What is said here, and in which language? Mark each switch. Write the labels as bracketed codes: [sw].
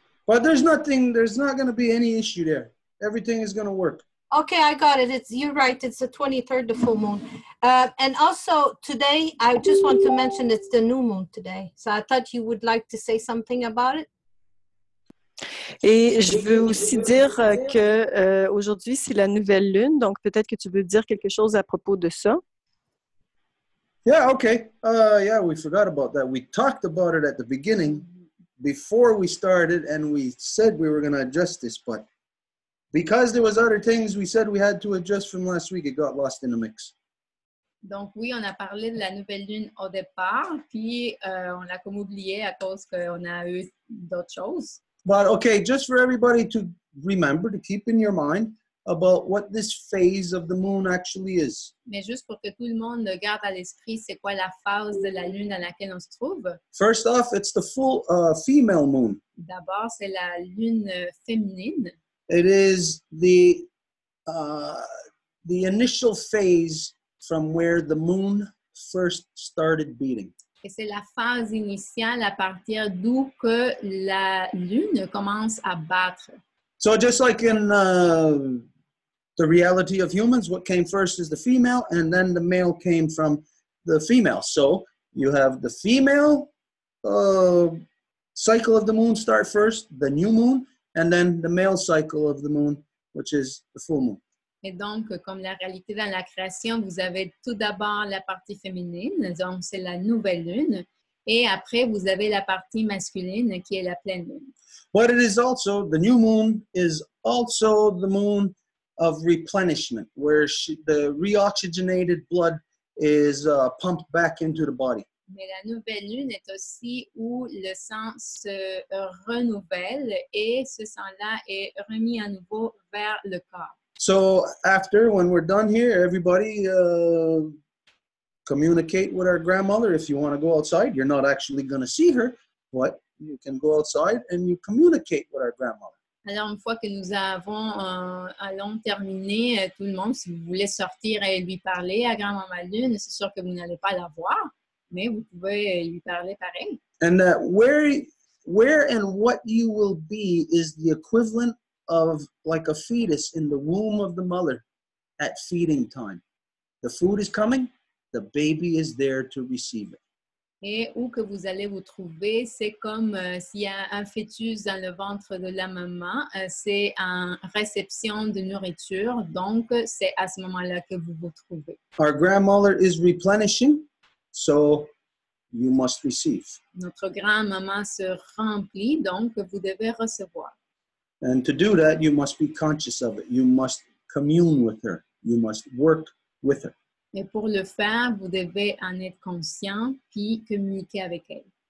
[en] But there's not going to be any issue there. Everything is going to work. Okay, I got it. You're right. It's the 23rd, the full moon. And also today, I just want to mention it's the new moon today. So I thought you would like to say something about it. [fr] Et je veux aussi dire que aujourd'hui, c'est la nouvelle lune. Donc peut-être que tu veux dire quelque chose à propos de ça. [en] Yeah, okay. We forgot about that. We talked about it at the beginning, before we started, and we said we were going to address this, but because there was other things we said we had to address from last week, it got lost in the mix. [fr] Donc oui, on a parlé de la nouvelle lune au départ, puis on l'a comme oublié à cause qu'on a eu d'autres choses. [en] But okay, just for everybody to remember, to keep in your mind, about what this phase of the moon actually is. [fr] Mais juste pour que tout le monde garde à l'esprit c'est quoi la phase de la lune dans laquelle on se trouve. [en] First off, it's the full female moon. [fr] D'abord, c'est la lune féminine. [en] It is the initial phase from where the moon first started beating. [fr] Et c'est la phase initiale à partir d'où que la lune commence à battre. [en] So just like in the reality of humans, what came first is the female, and then the male came from the female. So you have the female cycle of the moon start first, the new moon, and then the male cycle of the moon, which is the full moon. [fr] Et donc, comme la réalité dans la création, vous avez tout d'abord la partie féminine, donc c'est la nouvelle lune. Et après, vous avez la partie masculine qui est la pleine lune. [en] But it is also, the new moon is also the moon of replenishment, where the reoxygenated blood is pumped back into the body. [fr] Mais la nouvelle lune est aussi où le sang se renouvelle et ce sang-là est remis à nouveau vers le corps. [en] So after, when we're done here, everybody... communicate with our grandmother if you want to go outside. You're not actually going to see her, but you can go outside and you communicate with our grandmother. [fr] Alors, une fois que nous avons allons terminer, tout le monde, si vous voulez sortir et lui parler à grand-maman Lune, c'est sûr que vous n'allez pas la voir, mais vous pouvez lui parler pareil. [en] And where and what you will be is the equivalent of like a fetus in the womb of the mother at feeding time. The food is coming. The baby is there to receive it. [fr] Et où que vous allez vous trouver, c'est comme s'il y a un fœtus dans le ventre de la maman, c'est en réception de nourriture, donc c'est à ce moment-là que vous vous trouvez. [en] Our grandmother is replenishing, so you must receive. [fr] Notre grand-maman se remplit, donc vous devez recevoir. [en] And to do that, you must be conscious of it. You must commune with her. You must work with her. [fr] Et pour le faire, vous devez en être conscient puis communiquer avec elle.